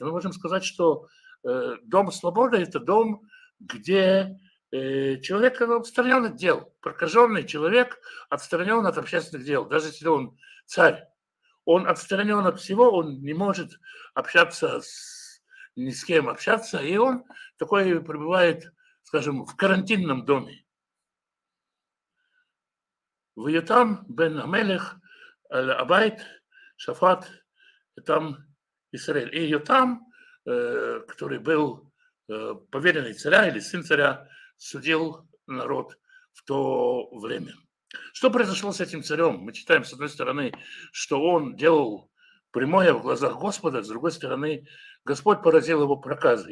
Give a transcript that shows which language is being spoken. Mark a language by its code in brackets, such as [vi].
[ru] Мы можем сказать, что дом свободы – это дом, где человек отстранен от дел, прокаженный человек отстранен от общественных дел, даже если он царь. Он отстранен от всего, он не может общаться с ни с кем общаться, и он такой пребывает, скажем, в карантинном доме. [he] ויותם בן המלך על הבית שפט יותם ישראל. [ru] И יותם, который был поверенный царя или сын царя, судил народ в то время. Что произошло с этим царем? Мы читаем, с одной стороны, что он делал прямое в глазах Господа, с другой стороны, Господь поразил его проказы.